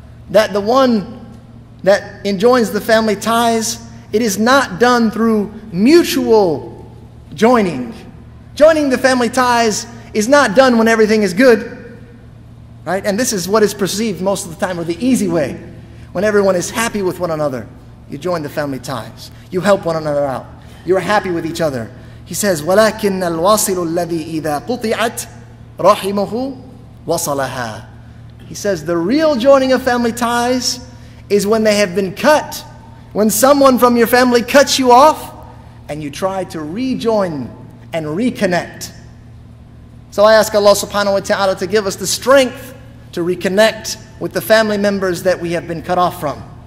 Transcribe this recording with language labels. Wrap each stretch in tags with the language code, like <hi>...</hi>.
<en>That the one that enjoins the family ties, it is not done through mutual joining. Joining the family ties is not done when everything is good, right? And this is what is perceived most of the time, or the easy way. When everyone is happy with one another, you join the family ties. You help one another out. You're happy with each other. He says,</en> <ar>وَلَكِنَّ الْوَاصِلُ الَّذِي إِذَا قُطِعَتْ رَحِمُهُ وَصَلَهَا.</ar> <en>He says, the real joining of family ties is when they have been cut, when someone from your family cuts you off, and you try to rejoin and reconnect. So I ask Allah subhanahu wa ta'ala to give us the strength to reconnect with the family members that we have been cut off from.</en>